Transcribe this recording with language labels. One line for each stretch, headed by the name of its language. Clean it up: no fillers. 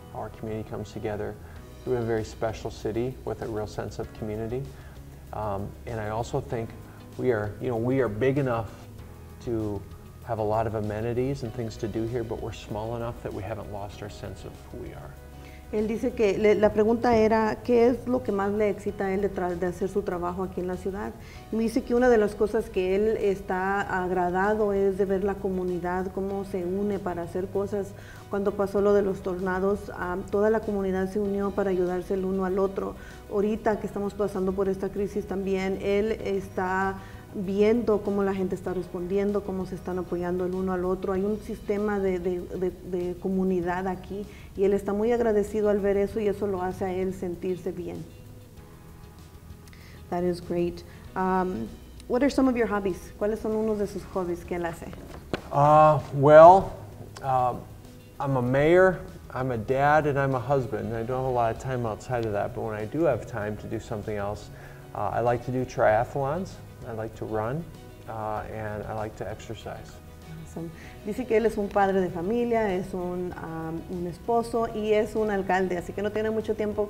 English: Our community comes together. We have a very special city with a real sense of community. And I also think we are big enough to have a lot of amenities and things to do here, but we're small enough that we haven't lost our sense of who we are.
Spanish: Él dice que la pregunta era, ¿qué es lo que más le excita a él de hacer su trabajo aquí en la ciudad? Y me dice que una de las cosas que él está agradado es de ver la comunidad, cómo se une para hacer cosas. Cuando pasó lo de los tornados, toda la comunidad se unió para ayudarse el uno al otro. Ahorita que estamos pasando por esta crisis también, él está viendo cómo la gente está respondiendo, cómo se están apoyando el uno al otro. Hay un sistema de comunidad aquí y él está muy agradecido al ver eso y eso lo hace a él sentirse bien.
English: That is great. What are some of your hobbies?
Spanish: ¿Cuáles son unos de sus hobbies que él hace?
English: I'm a mayor, I'm a dad, and I'm a husband. I don't have a lot of time outside of that, but when I do have time to do something else, I like to do triathlons. I like to run, and I like to exercise. Awesome.
Spanish: Dice que él es un padre de familia, es un esposo y es un alcalde, así que no tiene mucho tiempo.